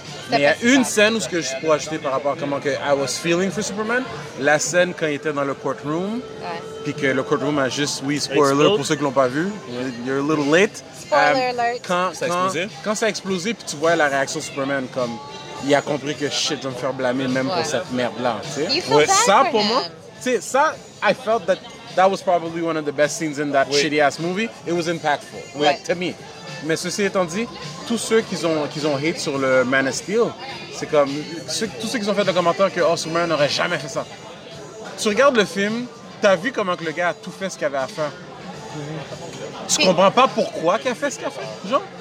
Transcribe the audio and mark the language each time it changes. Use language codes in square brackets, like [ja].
[fr] Mais il y a une scène où ce que je pourrais ajouter par rapport à comment que [en] I was feeling for Superman, [fr] la scène quand il était dans le courtroom, puis que le courtroom a juste, oui, spoiler pour ceux qui ne l'ont pas vu, [en] you're a little late. [fr] Spoiler alert. Quand ça a explosé, puis tu vois la réaction de Superman, comme il a compris que shit, je vais me faire blâmer même pour cette merde-là. Ça, pour moi, tu sais, ça, [en] I felt that that was probably one of the best scenes in that shitty ass movie. It was impactful, like, to me. [fr] Mais ceci étant dit, tous ceux qui ont hate sur le Man of Steel, c'est comme... tous ceux qui ont fait le commentaire que Superman n'aurait jamais fait ça. Tu regardes le film, t'as vu comment que le gars a tout fait ce qu'il avait à faire. Tu comprends pas pourquoi qu'il a fait ce qu'il a fait, genre?